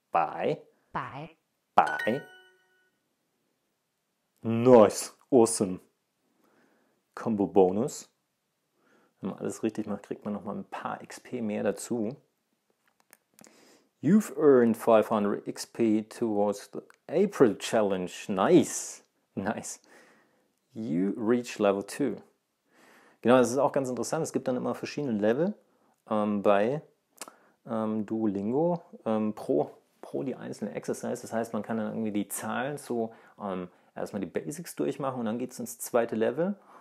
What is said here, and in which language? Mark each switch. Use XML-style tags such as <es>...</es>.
<zh>五百十元九四二百百百</zh> <en>Nice, awesome. Combo Bonus.</en> <de>Wenn man alles richtig macht, kriegt man noch mal ein paar XP mehr dazu.</de> <en>You've earned 500 XP towards the April Challenge. Nice. Nice. You reach level 2.</en> <de>Genau, das ist auch ganz interessant. Es gibt dann immer verschiedene Level bei Duolingo pro die einzelnen Exercises. Das heißt, man kann dann irgendwie die Zahlen so erstmal die Basics durchmachen und dann geht es ins zweite Level.</de>